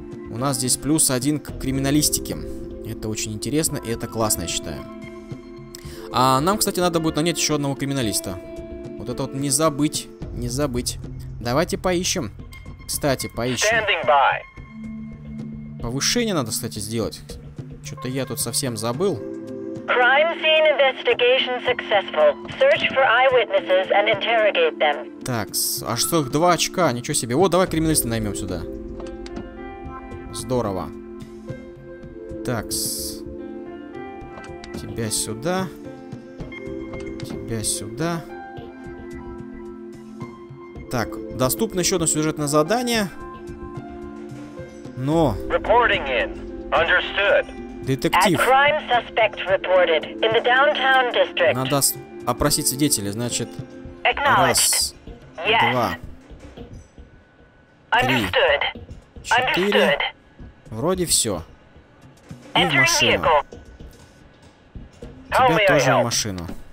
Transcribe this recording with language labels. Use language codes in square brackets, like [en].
[ru] У нас здесь плюс один к криминалистике. Это очень интересно и это классно, я считаю. А нам, кстати, надо будет нанять еще одного криминалиста. Вот это вот не забыть, не забыть. Давайте поищем. Кстати, поищем. Повышение надо, кстати, сделать. Что-то я тут совсем забыл. [en] Crime scene investigation successful. Search for eyewitnesses and interrogate them. [ru] Так, аж целых 2 очка, ничего себе. О, давай криминалиста наймем сюда. Здорово. Так, тебя сюда. Тебя сюда. Так, доступно еще одно сюжетное задание. Но... [en] Reporting in. Understood. [ru] Детектив. [en] Crime suspect reported in the downtown district. [ru] Надо опросить свидетелей, значит... [en] Acknowledged. [ru] Раз, [en] yes. [ru] Два. Три. [en] Understood. [ru] Четыре. Вроде все. И в машину. Тебя тоже в машину.